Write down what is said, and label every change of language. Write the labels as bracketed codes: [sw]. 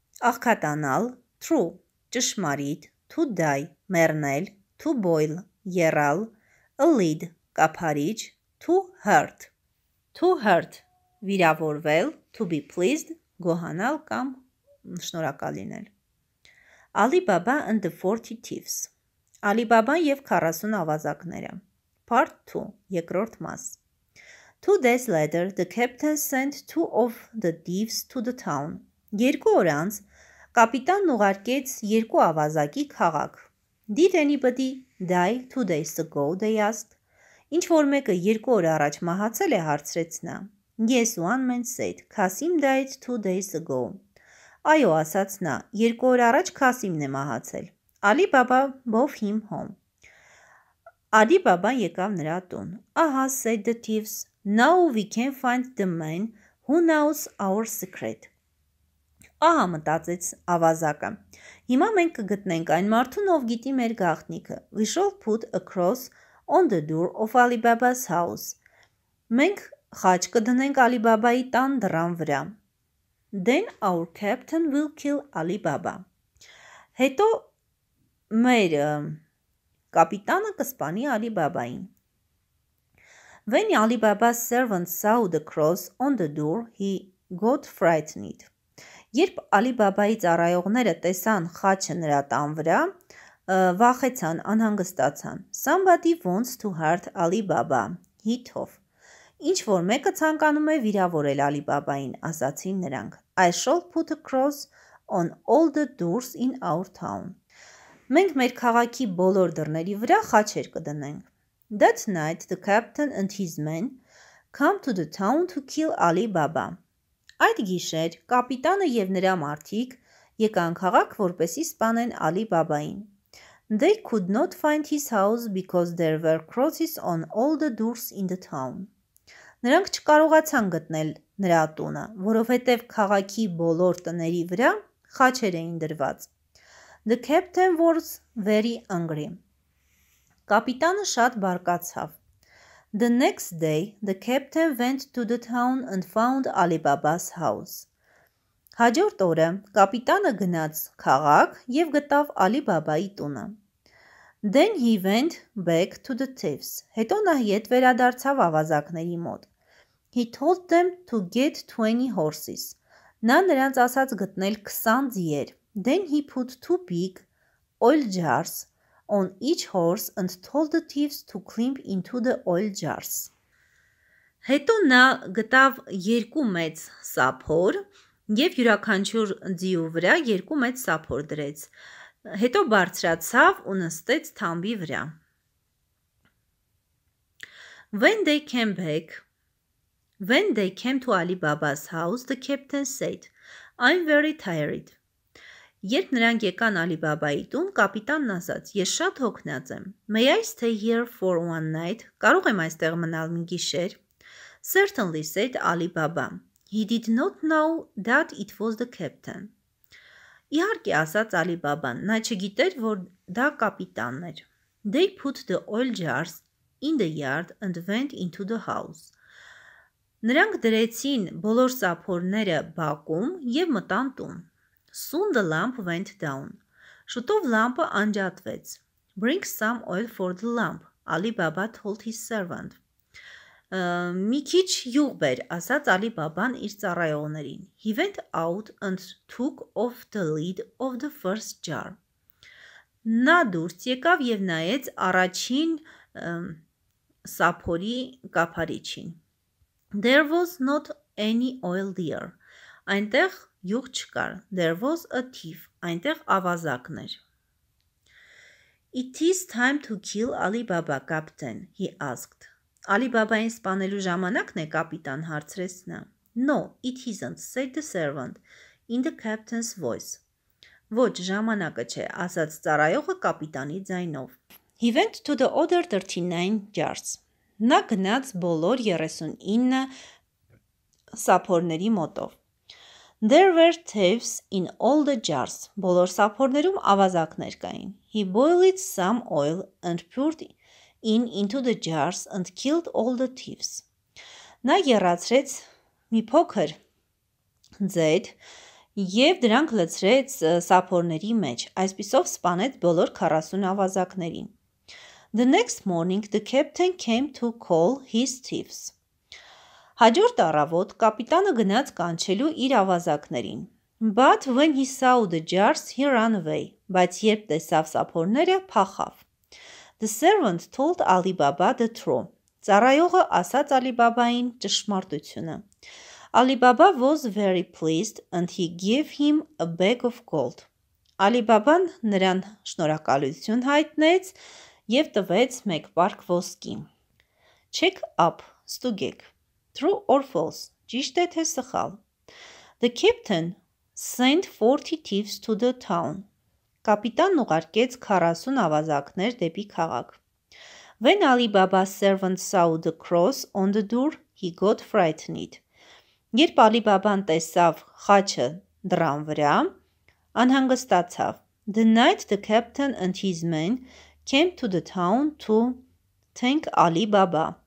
[hy] աղքատանալ, [en] true, [hy] ճշմարիտ, [en] to die, [hy] մեռնել, [en] to boil, [hy] երալ, [en] a lid, [hy] կափարիչ, [en] to hurt. To hurt, [hy] վիրավորվել, [en] to be pleased, [hy] գոհանալ կամ շնորհակալ լինել. [en] Alibaba and the 40 thieves. [hy] Alibaba-ն եւ 40 ավազակները. [en] Part 2, [hy] երկրորդ մաս. [en] 2 days later, the captain sent 2 of the thieves to the town. [hy] 2 օր անց կապիտանն ուղարկեց 2 ավազակի քաղաք. [en] Did anybody die 2 days ago, they asked. [hy] Ինչ որ մեկը 2 օր առաջ մահացել է, հարցրեց նա. [en] Yes, one man said, Kasim died 2 days ago. [hy] Այո, ասաց նա, 2 օր առաջ Kasim-ն է մահացել. [en] Alibaba brought him home. [hy] Alibaba-ն եկավ նրա տուն. [en] Aha, said the thieves, now we can find the man who knows our secret. [hy] Ահա, մտածեց ավազակը, հիմա մենք կգտնենք այն մարդուն, ով գիտի մեր գաղտնիքը. [en] We shall put a cross on the door of Alibaba's house. [hy] Մենք խաչ կդնենք Alibaba-ի տան դռան վրա. [en] Then our captain will kill Alibaba. [hy] Հետո մեր կապիտանը կսպանի Alibaba-ին. [en] When Alibaba's servant saw the cross on the door, he got frightened. [hy] Երբ Alibaba-ի ծառայողները տեսան խաչը նրա տան վրա, վախեցան, անհանգստացան. [en] Somebody wants to hurt Alibaba. Հիթով. [hy] Ինչ որ մեկը ցանկանում է վիրավորել Alibaba-ին, ասացին նրանք. [en] I shall put a cross on all the doors in our town. [hy] Մենք մեր քաղաքի բոլոր դռների վրա խաչեր կդնենք. [en] That night the captain and his men come to the town to kill Alibaba. [hy] Այդ գիշեր կապիտանը եւ նրա մարդիկ եկան քաղաք, որպեսզի սպանեն Alibaba-ին. [en] They could not find his house because there were crosses on all the doors in the town. [hy] Նրանք չկարողացան գտնել նրա տունը, որովհետեւ քաղաքի բոլոր տների վրա խաչեր էին դրված. [en] The captain was very angry. [hy] Կապիտանը շատ բարկացավ. [en] The next day, the captain went to the town and found Alibaba's house. [hy] Հաջորդ օրը կապիտանը գնաց քաղաք եւ գտավ Alibaba-ի տունը. [en] Then he went back to the thieves. [hy] Հետո նա հետ վերադարձավ ավազակների մոտ. [en] He told them to get 20 horses. [hy] Նա նրանց ասաց գտնել 20 ձիեր. [en] Then he put 2 big oil jars on each horse and told the thieves to climb into the oil jars. [hy] Հետո նա գտավ 2 մեծ սափոր եւ յուրաքանչյուր ձիու վրա 2 մեծ սափոր դրեց. Հետո բարձրացավ ու նստեց թամբի վրա. [en] When they came to Alibaba's house, the captain said, I'm very tired. [hy] Երբ նրանք եկան Alibaba-ի տուն, կապիտանն ասաց. Ես շատ հոգնած եմ. [en] May I stay here for one night? [hy] Կարող եմ այստեղ մնալ մի գիշեր? [en] Certainly, said Alibaba. He did not know that it was the captain. [hy] Իհարկե, ասաց Alibaba-ն. Նա չգիտեր, որ դա կապիտանն էր. [en] They put the oil jars in the yard and went into the house. [hy] Նրանք դրեցին բոլոր սափորները բակում եւ մտան տուն. [en] Soon the lamp went down. [hy] Շուտով լամպը անջատվեց. [en] Bring some oil for the lamp, Alibaba told his servant. [hy] Մի քիչ յուղ բեր, ասաց Alibaba-ն իր ծառայողներին. [en] He went out and took off the lid of the first jar. [hy] Նա դուրս եկավ եւ նայեց առաջին սափորի կափարիչին. [en] There was not any oil there. [hy] Այնտեղ յուղ չկար. [en] There was a thief. [hy] Այնտեղ ավազակներ. [en] It is time to kill Alibaba, captain, he asked. [hy] Alibaba-ին սպանելու ժամանակն է, կապիտան, հարցրեց նա. [en] No, it isn't, said the servant in the captain's voice. [hy] Ոչ, ժամանակը չէ, ասաց ծառայողը կապիտանի ձայնով. [en] He went to the other 39 jars. [hy] Նա գնաց բոլոր 39 սափորների մոտով. [en] There were thieves in all the jars. [hy] Բոլոր սափորներում ավազակներ կային. [en] He boiled some oil and poured in into the jars and killed all the thieves. [hy] Նա երացրեց մի փոքր ձեդ և դրանք լցրեց սափորների մեջ, այսպիսով սպանեց բոլոր 40 ավազակներին. [en] The next morning, the captain came to call his thieves. [hy] Հաջորդ առավոտ կապիտանը գնաց կանչելու իր ավազակներին. [en] But when he saw the jars, he ran away. [hy] Բայց երբ տեսավ սափորները, փախավ. [en] The servant told Alibaba the truth. [hy] Ծառայողը ասաց Ալիբաբային ճշմարտությունը. [en] Alibaba was very pleased and he gave him a bag of gold. [hy] Ալիբաբան նրան շնորհակալություն հայտնեց և տվեց մեկ պարկ ոսկի. [en] Check up, [hy] ստուգեք. [en] True or false, [hy] ճիշտ է թե սխալ. [en] The captain sent 40 thieves to the town. [hy] Կապիտանն ուղարկեց 40 ավազակներ դեպի քաղաք. [en] When Alibaba's servant saw the cross on the door, he got frightened. [hy] Երբ Ալիբաբան տեսավ խաչը դռան վրա, անհանգստացավ. [en] The night the captain and his men came to the town to thank Alibaba.